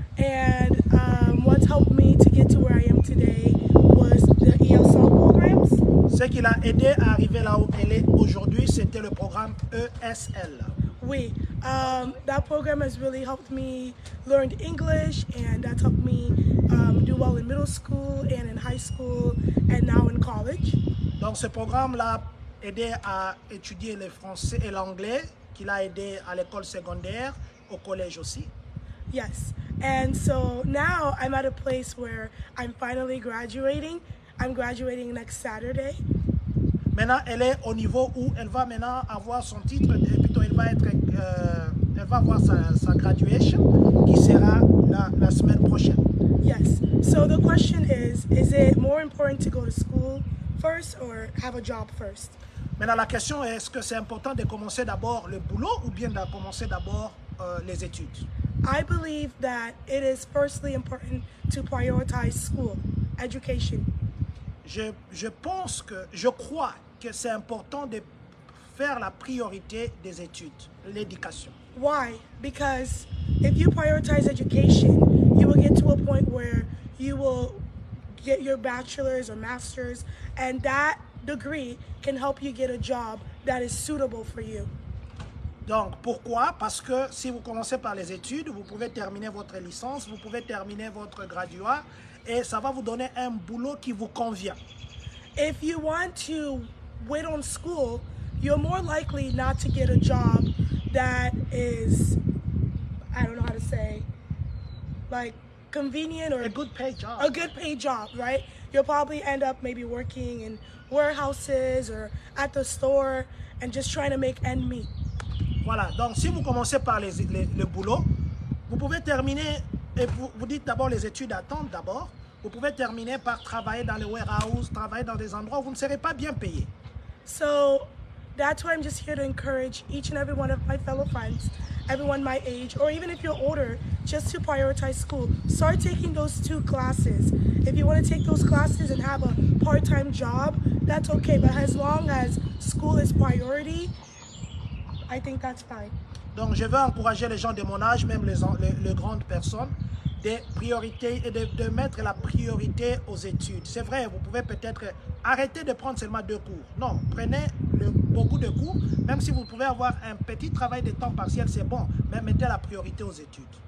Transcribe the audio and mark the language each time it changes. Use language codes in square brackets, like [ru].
[en] And what helped me to get to where I am today was the ESL programs. [fr] Ce qui l'a aidé à arriver là où elle est aujourd'hui, c'était le programme ESL. [en] Oui, that program has really helped me learn English and that helped me do well in middle school and in high school and now in college. [fr] Donc ce programme l'a aidé à étudier le français et l'anglais, qui l'a aidé à l'école secondaire, au collège aussi. [en] Yes, and so now I'm at a place where I'm finally graduating. I'm graduating next Saturday. [fr] Maintenant, elle est au niveau où elle va maintenant avoir son titre, plutôt elle va avoir sa graduation, qui sera la semaine prochaine. [en] Yes, so the question is it more important to go to school first or have a job first? [fr] Maintenant, la question est, est-ce que c'est important de commencer d'abord le boulot ou bien de commencer d'abord les études? [en] I believe that it is firstly important to prioritize school, education. [fr] Je crois que c'est important de faire la priorité des études, l'éducation. [en] Why? Because if you prioritize education, you will get to a point where you will get your bachelor's or master's, and that degree can help you get a job that is suitable for you. [fr] Donc, pourquoi? Parce que si vous commencez par les études, vous pouvez terminer votre licence, vous pouvez terminer votre graduat, et ça va vous donner un boulot qui vous convient. [en] If you want to wait on school, you're more likely not to get a job that is, I don't know how to say, like convenient or a good paid job. A good paid job, right? You'll probably end up maybe working in warehouses or at the store and just trying to make ends meet. [fr] Voilà, donc si vous commencez par le boulot, vous pouvez terminer, et vous dites d'abord les études attendent d'abord, vous pouvez terminer par travailler dans les warehouses, travailler dans des endroits où vous ne serez pas bien payé. [en] So, that's why I'm just here to encourage each and every one of my fellow friends, everyone my age, or even if you're older, just to prioritize school. Start taking those two classes. If you want to take those classes and have a part-time job, that's okay, but as long as school is priority, I think that's fine. [fr] Donc, je veux encourager les gens de mon âge, même les grandes personnes, des priorités et de mettre la priorité aux études. C'est vrai, vous pouvez peut-être arrêter de prendre seulement deux cours. Non, prenez beaucoup de cours, même si vous pouvez avoir un petit travail de temps partiel, c'est bon, mais mettez la priorité aux études.